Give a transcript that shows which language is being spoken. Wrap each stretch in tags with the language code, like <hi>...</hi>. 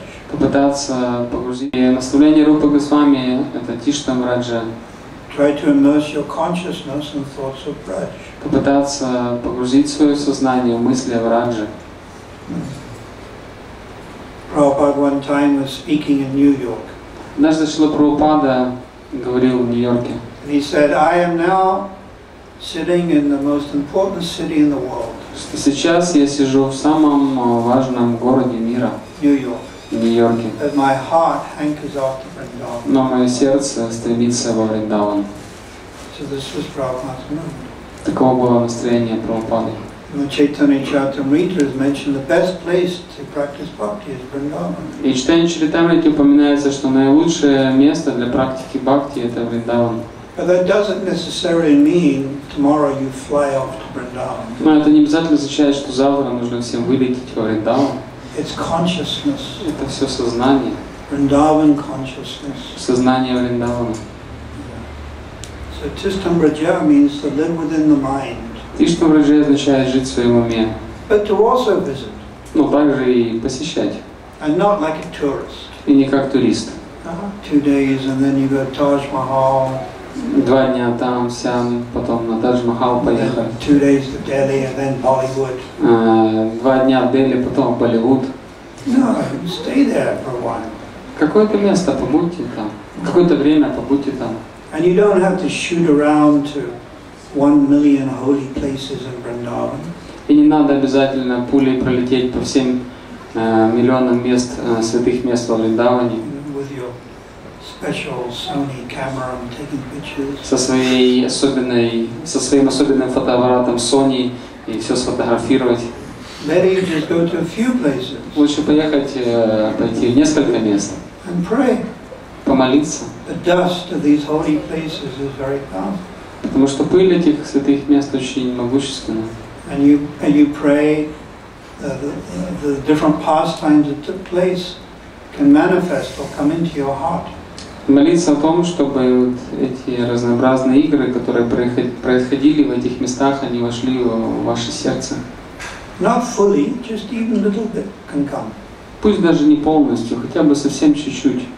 <ru>Попытаться погрузить. И наставление Рупы Госвами — это Тишта Браджа.</ru> <en>Try to immerse your consciousness in thoughts of Braj.</en> <ru>Попытаться погрузить свое сознание в мысли о Враджи.</ru> <en>Prabhupada one time was speaking in New York.</en> <ru>Однажды Шрила Прабхупада говорил в Нью-Йорке.</ru> <en>He said, I am now sitting in the most important city in the world.</en> <ru>Что сейчас я сижу в самом важном городе мира. Нью-Йорк. В Нью-Йорке.</ru> <en>That my heart hankers after Vrindavan.</en> <ru>Но мое сердце стремится во Вриндаван.</ru> <en>So this was Prabhupada's mood.</en> <ru>Таково было настроение Прабхупады.</ru> <en>The Chaitanya Charitamrita has mentioned the best place to practice bhakti is Vrindavan.</en> <ru>И в Chaitanya Charitamrita упоминается, что наилучшее место для практики бхакти это Вриндаван.</ru> <en>But that doesn't necessarily mean tomorrow you fly off to Vrindavan.</en> <ru>Но это не обязательно означает, что завтра нужно всем вылететь во Вриндаван.</ru> <en>It's consciousness.</en> <ru>Это все сознание.</ru> <en>Vrindavan consciousness.</en> <ru>Сознание Вриндавана.</ru> <en>So Tishtam Raja means to live within the mind.</en> <ru>Тишта Мраджа означает жить в своем уме.</ru> <en>But to also visit.</en> <ru>Но также и посещать.</ru> <en>And not like a tourist.</en> <ru>И не как турист.</ru> <en>Two days and then you go to Taj Mahal.</en> <ru>Два дня там, сям, потом на Тадж-Махал поехали.</ru> <en>Two days to Delhi and then Bollywood.</en> <ru>Два дня в Дели, потом в Болливуд.</ru> <en>No, stay there for a while.</en> <ru>Какое-то место побудьте там. Какое-то время побудьте там.</ru> <en>And you don't have to shoot around to 1 million holy places in Vrindavan.</en> <ru>И не надо обязательно пулей пролететь по всем миллионам мест святых мест во Вриндаване.</ru> <en>With your special Sony camera and taking pictures.</en> <ru>Со своим особенным фотоаппаратом Sony и все сфотографировать.</ru> <en>Better you just go to a few places.</en> <ru>Лучше поехать пойти в несколько мест.</ru> <en>And pray.</en> <ru>Помолиться.</ru> <en>The dust of these holy places is very powerful.</en> <ru>Потому что пыль этих святых мест очень могущественна.</ru> <en>And you pray the different pastimes that took place can manifest or come into your heart.</en> <ru>Молиться о том, чтобы вот эти разнообразные игры, которые происходили в этих местах, они вошли в ваше сердце.</ru> <en>Not fully, just even a little bit can come.</en> <ru>Пусть даже не полностью, хотя бы совсем чуть-чуть.</ru>